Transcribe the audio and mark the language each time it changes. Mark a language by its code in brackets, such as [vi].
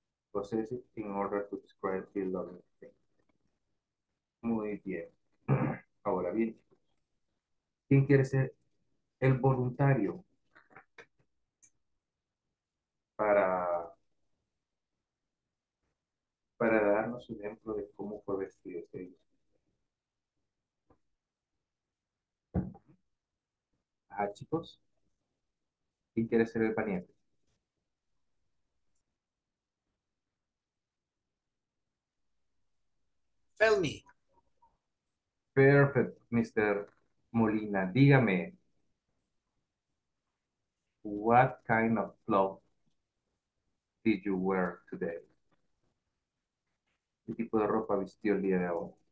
[en] Process it in order to describe the loving thing. [es] Muy bien. Ahora bien, chicos, ¿quién quiere ser el voluntario para darnos un ejemplo de cómo fue vestido este día? Ah, chicos, ¿quién quiere ser el valiente? [en] Tell [es] Perfecto, Mr. Molina. Dígame, [en] what kind of cloth did you wear today? [es] ¿Qué tipo de ropa vistió el día de hoy?